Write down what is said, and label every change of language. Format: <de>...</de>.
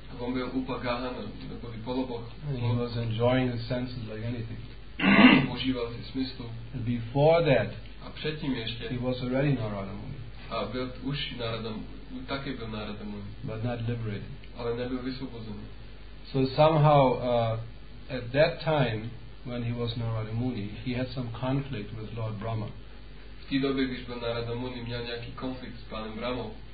<cs>On byl upagahana, takový polobog.</cs> <en>He was enjoying his senses like anything.</en> <cs>Užíval si smyslu.</cs> <en>And before that,</en> <cs>a předtím ještě,</cs> <en>he was already Narada Muni.</en> <cs>A byl už Narada, taky byl Narada Muni.</cs> <en>But not liberated.</en> <cs>Ale nebyl vysvobozený.</cs> <en>So somehow, at that time, when he was Narada Muni, he had some conflict with Lord Brahma.</en> <cs>V té době, když byl Narada Muni, měl nějaký konflikt s panem Brahmou.</cs>